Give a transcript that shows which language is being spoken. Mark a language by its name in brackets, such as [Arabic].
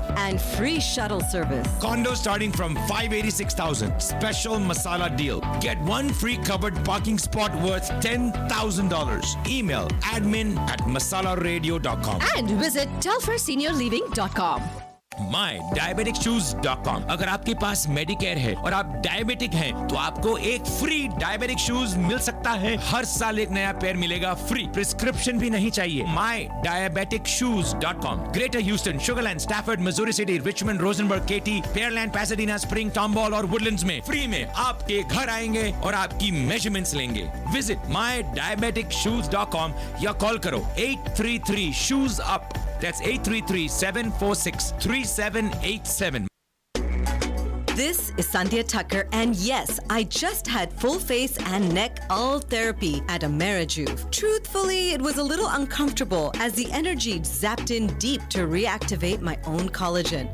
[English] And free shuttle service. Condos starting from 586,000. Special masala deal. Get one free covered parking spot worth $10,000. Email admin@masalaradio.com and visit DelfairSeniorLeaving.com. MyDiabeticShoes.com. [Hindi] अगर आपके पास Medicare है और आप diabetic हैं, तो आपको एक फ्री डायबिटिक शूज मिल सकता है। हर साल एक नया पेयर मिलेगा फ्री, प्रिस्क्रिप्शन भी नहीं चाहिए। [English] MyDiabeticShoes.com. [Hindi] Greater Houston, Sugar Land, Stafford, Missouri city, Richmond, Rosenberg, केटी, पेयरलैंड, पासाडीना, स्प्रिंग, टॉम्बॉल और वुडलैंड्स में फ्री में आपके घर आएंगे और आपकी मेजरमेंट्स लेंगे। विजिट MyDiabeticShoes.com या कॉल करो 833-SHOES-UP. [English] That's 833-746-3787. This is Sandhya Tucker, and yes, I just had full face and neck all therapy at Amerijuve. Truthfully, it was a little uncomfortable as the energy zapped in deep to reactivate my own collagen.